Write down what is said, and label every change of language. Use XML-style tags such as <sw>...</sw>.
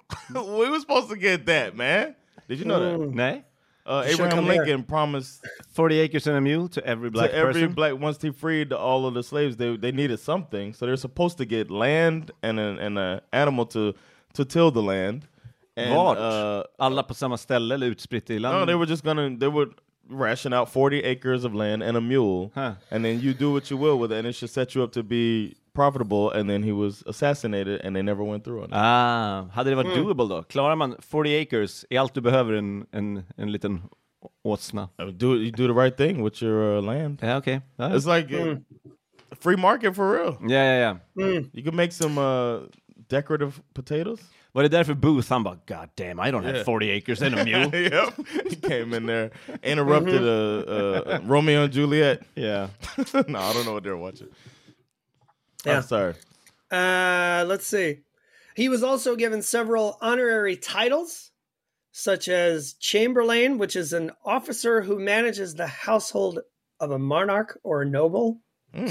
<en>We were supposed to get that, man. Did you know that? Nah. Abraham Lincoln promised 40 acres and a mule to every black person. Every black, once he freed all of the slaves, they needed something. So they're supposed to get land and an animal to till the land.</en> <sv>Vart? Alla på samma ställe eller utspritt i landet?</sv> <en>No, they would ration out 40 acres of land and a mule. Huh. And then you do what you will with it, and it should set you up to be profitable. And then he was assassinated, and they never went through on it.</en> <sv>Ah, hade det varit doable då? Klarar man 40 acres är allt du behöver en liten åsna.</sv> <en>You do the right thing with your land. Yeah, okay. Right. It's like free market for real. Yeah. You can make some decorative potatoes.</en> <sv>Var det därför Booth, han bara,</sv> <en>god damn, I don't have 40 acres and a mule. Yep. He came in there, interrupted Romeo and Juliet. Yeah. No, I don't know what they're watching. Yeah. I'm sorry. Let's see. He was also given several honorary titles, such as Chamberlain, which is an officer who manages the household of a monarch or a noble. Mm.</en>